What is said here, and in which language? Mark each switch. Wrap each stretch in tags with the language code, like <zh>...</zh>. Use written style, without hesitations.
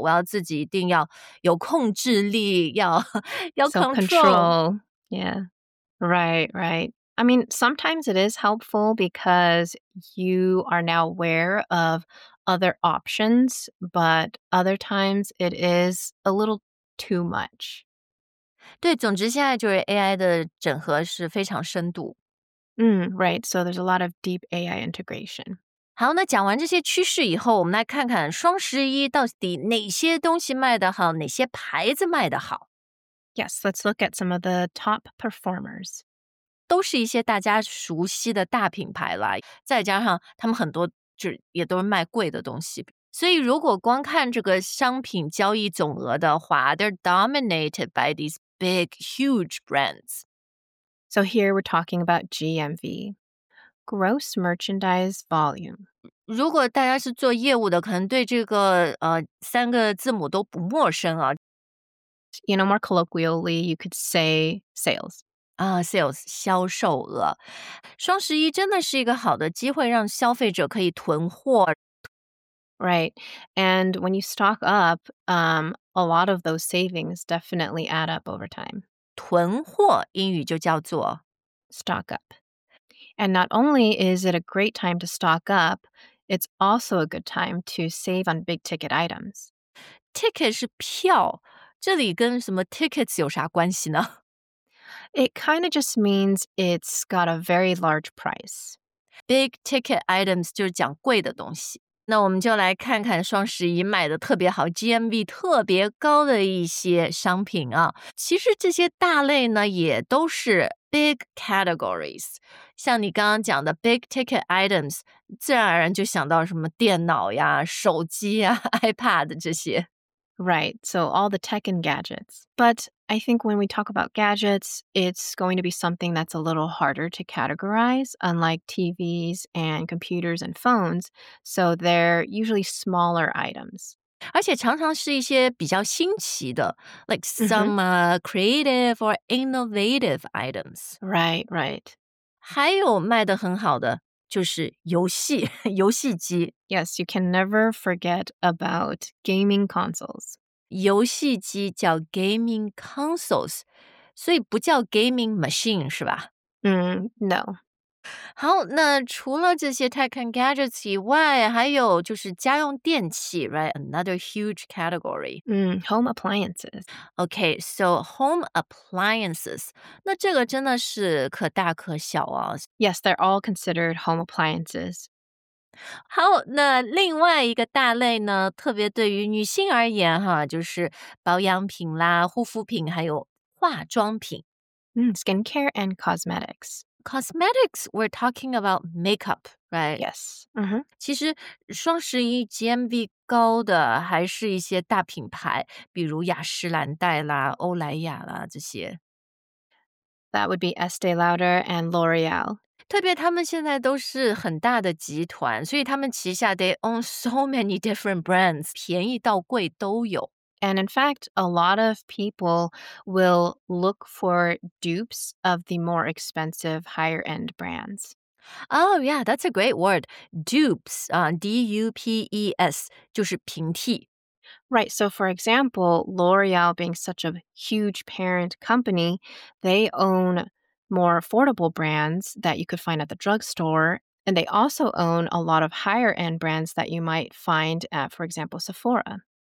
<zh>我要自己一定要有控制力要</zh> <en>control. Yeah. Right, right. I mean, sometimes it is helpful because you are now aware of other options, but other times it is a little too much.</en> <zh>对，总之现在就是 AI 的整合是非常深度。</zh> <en>Right. So there's a lot of deep AI integration.</en> <zh>好，那讲完这些趋势以后，我们来看看双十一到底哪些东西卖得好，哪些牌子卖得好。</zh> <en>Yes, let's look at some of the top performers.</en> <zh>都是一些大家熟悉的大品牌啦，再加上他们很多就也都是卖贵的东西。所以如果光看这个商品交易总额的话</zh> <en>they're dominated by these big, huge brands. So here we're talking about GMV, gross merchandise volume.</en> <zh>如果大家是做业务的，可能对这个三个字母都不陌生啊。</zh> <en>You know, more colloquially, you could say sales. Sales,</en> <zh>销售额。双十一真的是一个好的机会让消费者可以囤货。</zh> <en>Right. And when you stock up, a lot of those savings definitely add up over time.</en> <zh>囤货英语就叫做</zh> <en>stock up. And not only is it a great time to stock up, it's also a good time to save on big ticket items.</en> <zh>Ticket 是票。这里跟什么 tickets 有啥关系呢?</zh> <en>It kind of just means it's got a very large price. Big ticket items</en> <zh>就是讲贵的东西。那我们就来看看双十一卖的特别好 GMV 特别高的一些商品啊。其实这些大类呢也都是</zh> <en>big categories。</en> <zh>像你刚刚讲的</zh> <en>big ticket items,</en> <zh>自然而然就想到什么电脑呀手机呀 iPad 这些。</zh> <en>Right, so all the tech and gadgets. But I think when we talk about gadgets, it's going to be something that's a little harder to categorize, unlike TVs and computers and phones. So they're usually smaller items.</en> <zh>而且常常是一些比较新奇的</zh> <en>like some creative or innovative items. Right, right.</en> <zh>还有卖得很好的就是游戏，游戏机。</zh> <en>Yes, you can never forget about gaming consoles.</en> <zh>游戏机叫</zh> <en>gaming consoles,</en> <zh>所以不叫</zh> <en>gaming machine,</en> <zh>是吧？</zh> <en>No.</en> <zh>好，那除了这些</zh> <en>tech and gadgets</en> <zh>以外，还有就是家用电器 ,</zh> <en>right? Another huge category. Home appliances. Okay, so home appliances.</en> <zh>那这个真的是可大可小啊。</zh> <en>Yes, they're all considered home appliances.</en> <zh>好，那另外一个大类呢，特别对于女性而言哈，就是保养品啦，护肤品，还有化妆品。</zh> <en>Skincare and cosmetics. Cosmetics, we're talking about makeup, right? Yes.</en> <zh>其实双十一 GMV 高的还是一些大品牌，比如雅诗兰黛啦、欧莱雅啦这些。</zh> <en>That would be Estee Lauder and L'Oreal.</en> <zh>特别他们现在都是很大的集团，所以他们旗下</zh> <en>they own so many different brands,</en> <zh>便宜到贵都有。</zh> <en>And in fact, a lot of people will look for dupes of the more expensive, higher-end brands. Oh, yeah, that's a great word. Dupes, D-U-P-E-S,</en> <zh>就是平替。</zh> <en>Right, so for example, L'Oreal being such a huge parent company, they own more affordable brands that you could find at the drugstore, and they also own a lot of higher-end brands that you might find at, for example, Sephora.</en>